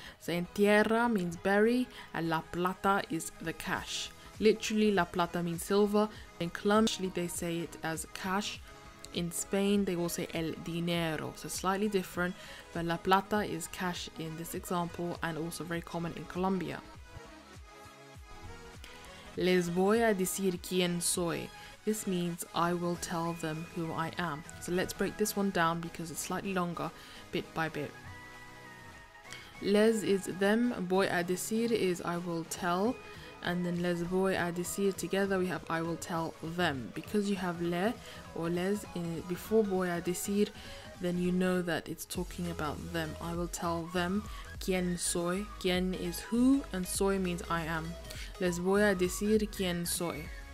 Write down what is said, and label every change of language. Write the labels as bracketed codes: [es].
[en] So entierra means bury, and la plata is the cash. Literally, la plata means silver. In Colombia, they say it as cash. In Spain, they will say el dinero. So slightly different, but la plata is cash in this example, and also very common in Colombia. [es] Les voy a decir quién soy. [en] This means I will tell them who I am. So let's break this one down because it's slightly longer, bit by bit. Les is them, voy a decir is I will tell. And then [es] les voy a decir [en] together we have I will tell them. Because you have le or les in it before voy a decir, then you know that it's talking about them. I will tell them [es] quién soy. [en] Quién is who, and soy means I am. [es] Les voy a decir quién soy.